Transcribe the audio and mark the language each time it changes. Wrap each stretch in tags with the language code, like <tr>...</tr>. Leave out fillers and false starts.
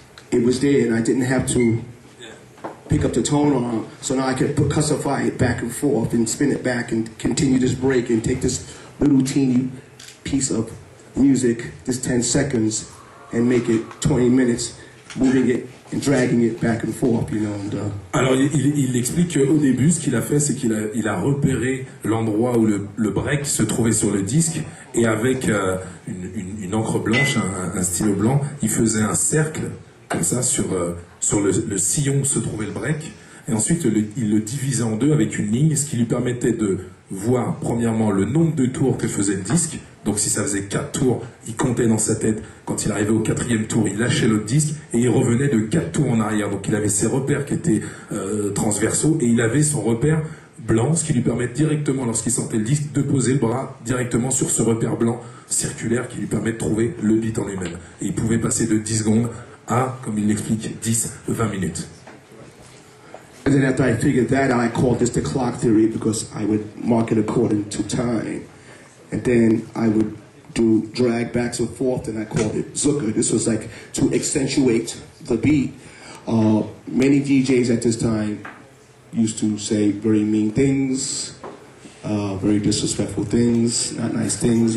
<en>It was there and I didn't have to pick up the tone arm. So now I could percussify it back and forth and spin it back and continue this break and take this little teeny piece of music, this 10 seconds, and make it 20 minutes, moving it and dragging it back and forth, you know.</en> <fr>Alors, il explique qu'au début, ce qu'il a fait, c'est qu'il a, il a repéré l'endroit où le break se trouvait sur le disque, et avec une encre blanche, un stylo blanc, il faisait un cercle, comme ça, sur le sillon où se trouvait le break, et ensuite, il le divisait en deux avec une ligne, ce qui lui permettait de voir, premièrement, le nombre de tours que faisait le disque. Donc si ça faisait 4 tours, il comptait dans sa tête. Quand il arrivait au 4e tour, il lâchait le disque et il revenait de 4 tours en arrière. Donc il avait ses repères qui étaient transversaux et il avait son repère blanc, ce qui lui permet directement, lorsqu'il sentait le disque, de poser le bras directement sur ce repère blanc circulaire qui lui permet de trouver le beat en lui-même. Et il pouvait passer de 10 secondes à, comme il l'explique, 10-20 minutes.</fr> <en>And then after I figured that out, I called this the clock theory because I would mark it according to time. And then I would do drag backs and forth, and I called it Zucca. This was like to accentuate the beat. Many DJs at this time used to say very mean things, very disrespectful things, not nice things.</en>